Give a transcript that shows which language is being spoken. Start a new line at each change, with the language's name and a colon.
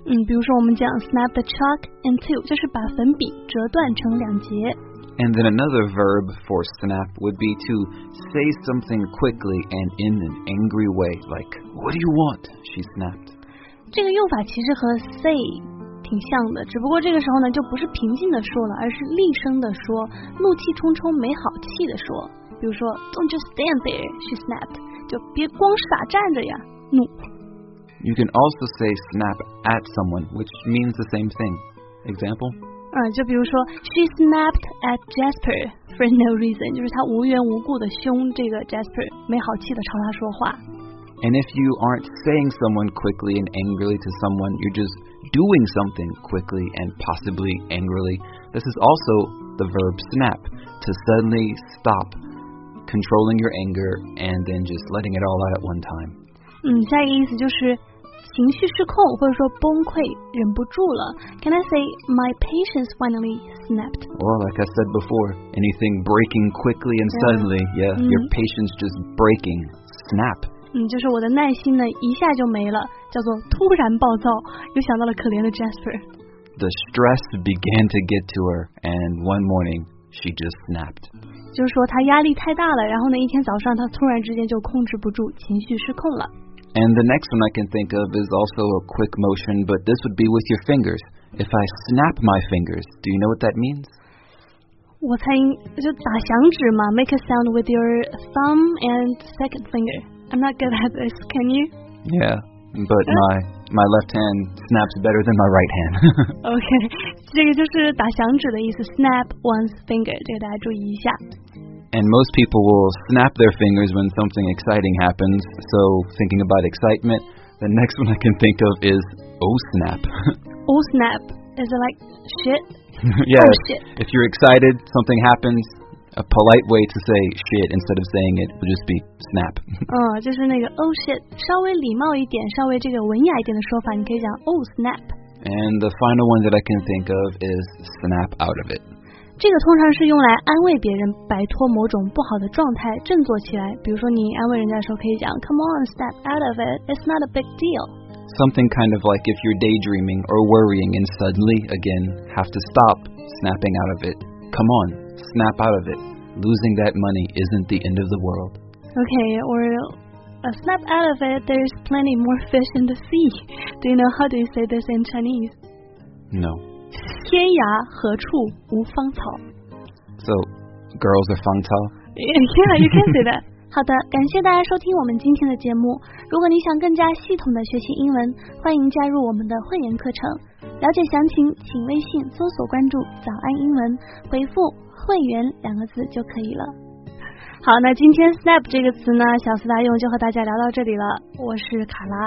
Chinese: 比如说我们讲
English: snap the chalk in two,
Chinese: 就是把粉笔折断成两截。
English: And then another verb for snap would be to say something quickly and in an angry way, like, what do you want? She snapped.
Chinese: 这个用法其实和 say 挺像的，只不过这个时候呢，就不是平静的说了，而是厉声的说，怒气冲冲，没好气的说。比如说
English: don't just stand there, she snapped.
Chinese: 就别光傻站着呀，怒。
English: You can also say snap at someone, which means the same thing. Example?
Chinese: 就比如说
English: she snapped at Jasper for no reason,
Chinese: 就是她无缘无故的凶这个 Jasper, 没好气的朝他说话。
English: And if you aren't saying someone quickly and angrily to someone, you're just doing something quickly and possibly angrily. This is also the verb snap, to suddenly stop controlling your anger and then just letting it all out at one time.
Chinese: 下一个意思就是情绪失控或者说崩溃忍不住了。
English: Can I say my patience finally snapped? Well, like I said before, anything breaking quickly and suddenly, yeah, your patience just breaking, snap.
Chinese: 就是我的耐心呢一下就没了，叫做突然暴躁，又想到了可怜的 Jasper.
English: The stress began to get to her, and one morning, she just snapped.
Chinese: 就是说她压力太大了，然后呢一天早上她突然之间就控制不住，情绪失控了。
English: And the next one I can think of is also a quick motion, but this would be with your fingers. If I snap my fingers, do you know what that means?
Chinese: 我猜就打响指嘛
English: make a sound with your thumb and second finger. I'm not good at this, can you? Yeah, but my left hand snaps better than my right hand.
Chinese: Okay, 这个就是打响指的意思
English: snap one's finger,
Chinese: 这个大家注意一下。
English: And most people will snap their fingers when something exciting happens. So, thinking about excitement, the next one I can think of is, oh snap. Oh snap. Is it like, shit? Yeah. Oh shit. If you're excited, something happens, a polite way to say shit instead of saying it would just be snap.
Chinese: 就是那个
English: oh shit.
Chinese: 稍微礼貌一点，稍微这个文雅一点的说法，你可以讲
English: oh snap. And the final one that I can think of is snap out of it.
Chinese: 这个通常是用来安慰别人摆脱某种不好的状态振作起来，比如说你安慰人家的时候可以讲
English: Come on, snap out of it, it's not a big deal. Something kind of like if you're daydreaming or worrying and suddenly, again, have to stop snapping out of it. Come on, snap out of it. losing that money isn't the end of the world. Okay, or snap out of it, there's plenty more fish in the sea. Do you know how do you say this in Chinese? No.
Chinese: 天涯何处无芳草。
English: So, girls are
Chinese: 芳草?
English: Yeah, you can say that.
Chinese: 好的，感谢大家收听我们今天的节目。如果你想更加系统的学习英文，欢迎加入我们的会员课程。了解详情，请微信搜索关注“早安英文”，回复“会员”两个字就可以了。好，那今天 “snap” 这个词呢，小思大用就和大家聊到这里了。我是卡拉